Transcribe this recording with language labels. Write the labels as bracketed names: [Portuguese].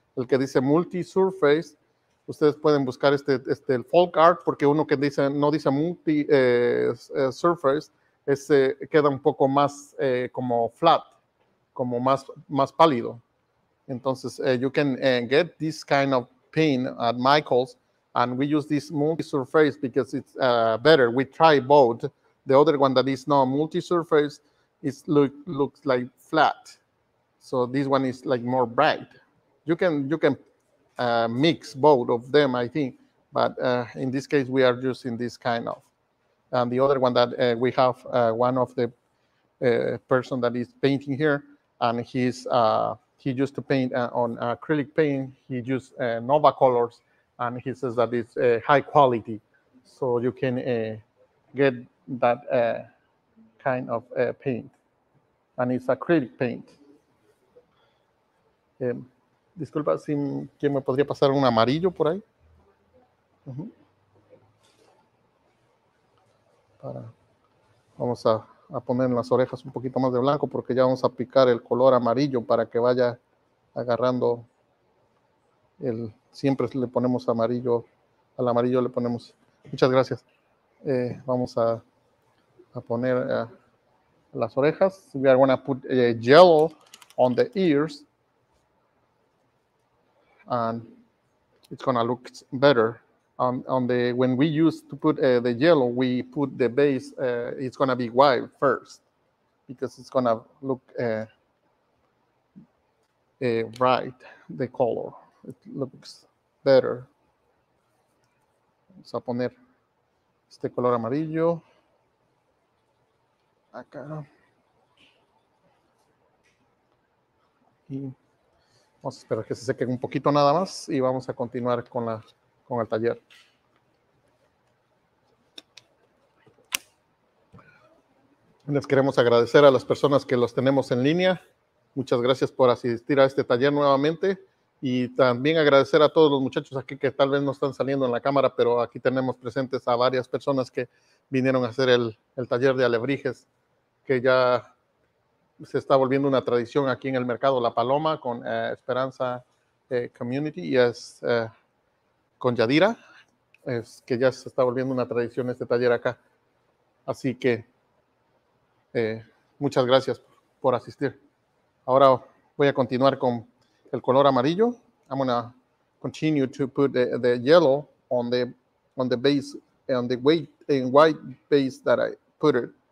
[Spanish] El que dice Multi Surface. Ustedes pueden buscar este el Folk Art, porque uno que dice, no dice multi surface, ese queda un poco más como flat, como más pálido. Entonces, [English] you can get this kind of paint at Michael's, and we use this multi surface because it's better. We try both. The other one that is not multi surface is looks like flat. So this one is like more bright. You can mix both of them, I think, but in this case we are using this kind of, and the other one that we have one of the person that is painting here, and he used to paint on acrylic paint. He used Nova Colors, and he says that it's high quality, so you can get that kind of paint, and it's acrylic paint. [Spanish] Disculpa, si ¿quién me podría pasar un amarillo por ahí? Para, vamos a poner en las orejas un poquito más de blanco porque ya vamos a picar el color amarillo para que vaya agarrando el, siempre le ponemos amarillo, al amarillo le ponemos, muchas gracias. Vamos a poner las orejas. [English] We are going to put yellow on the ears. And it's going to look better. On the when we use to put the yellow, we put the base, it's going to be white first. Because it's going to look bright, the color. It looks better. [Spanish] Vamos a poner este color amarillo acá y vamos a esperar que se seque un poquito nada más y vamos a continuar con la con el taller. Les queremos agradecer a las personas que los tenemos en línea, muchas gracias por asistir a este taller nuevamente. Y también agradecer a todos los muchachos aquí que tal vez no están saliendo en la cámara, pero aquí tenemos presentes a varias personas que vinieron a hacer el taller de alebrijes, que ya se está volviendo una tradición aquí en el mercado La Paloma con Esperanza Community y es con Yadira, es que ya se está volviendo una tradición este taller acá. Así que muchas gracias por asistir. Ahora voy a continuar con el color amarillo. [English] I'm gonna continue to put the yellow on the base on the white and white base that I put it.